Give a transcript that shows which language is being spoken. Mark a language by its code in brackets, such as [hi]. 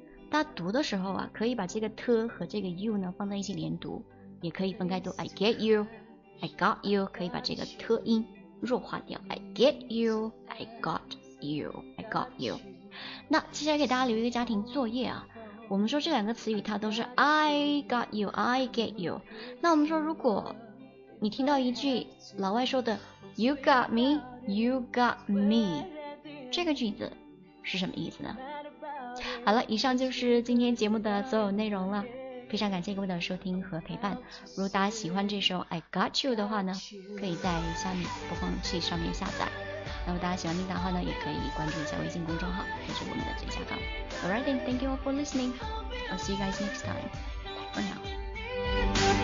[zh] 大家读的时候啊，可以把这个 t 和这个 you 呢放在一起连读，也可以分开读 [en] I get you, I got you, [zh] 可以把这个 t 音弱化掉 [en] I get you, I got you, I got you。 [zh] 那接下来给大家留一个家庭作业啊。我们说这两个词语它都是 [en] I got you, I get you。 [zh] 那我们说如果你听到一句老外说的 [en] You got me, you got me， [zh] 这个句子是什么意思呢？好了，以上就是今天节目的所有内容了，非常感谢各位的收听和陪伴。如果大家喜欢这首 I got you 的话呢，可以在虾米播放器上面下载。那么大家喜欢听的话呢，也可以关注一下微信公众号，还是我们的最下方。 [en] Alright then, thank you all for listening. I'll see you guys next time. Bye for now.